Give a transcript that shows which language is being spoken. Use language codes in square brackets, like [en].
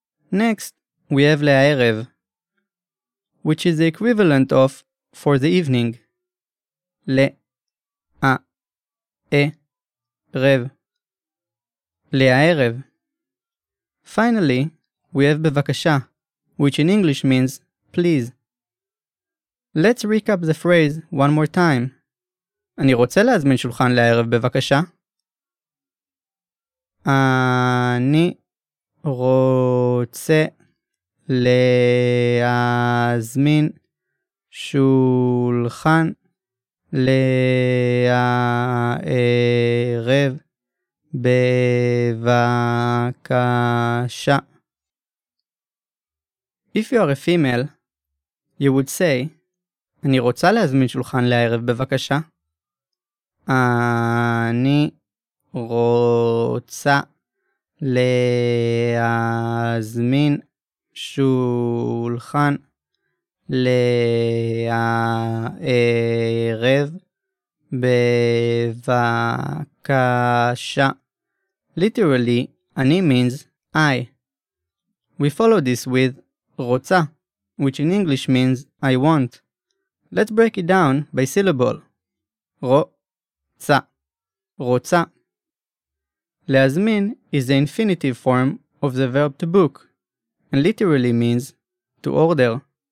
[en] Next, we have le-a-erev, which is the equivalent of for the evening. [he] Le-a-e-rev. Le-a-erev. [en] Finally, we have bevakasha, which in English means please. Let's recap the phrase one more time. [he] אני רוצה להזמין שולחן לערב בבקשה. אני רוצה להזמין שולחן לערב בבקשה. [en] If you are a female, you would say, [he] אני רוצה להזמין שולחן לערב בבקשה. אני רוצה להזמין שולחן לערב בבקשה. [en] Literally, אני means I. We follow this with רוצה, which in English means I want. Let's break it down by syllable. [he] רוצה. רוצה. [en] להזמין is the infinitive form of the verb to book, and literally means to order.